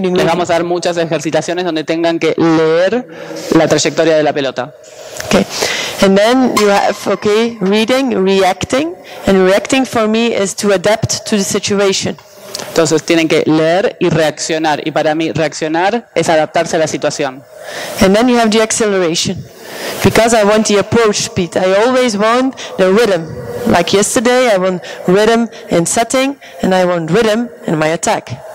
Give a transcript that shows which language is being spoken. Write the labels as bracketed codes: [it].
[es] Les vamos a dar muchas ejercitaciones donde tengan que leer la trayectoria de la pelota. [en] Okay, and then you have, okay, reading, reacting. And reacting for me is to adapt to the situation. [es] Entonces tienen que leer y reaccionar. Y para mí reaccionar es adaptarse a la situación. [en] And then you have the acceleration. Because I want the approach speed. I always want the rhythm. Like yesterday, I want rhythm in setting and I want rhythm in my attack.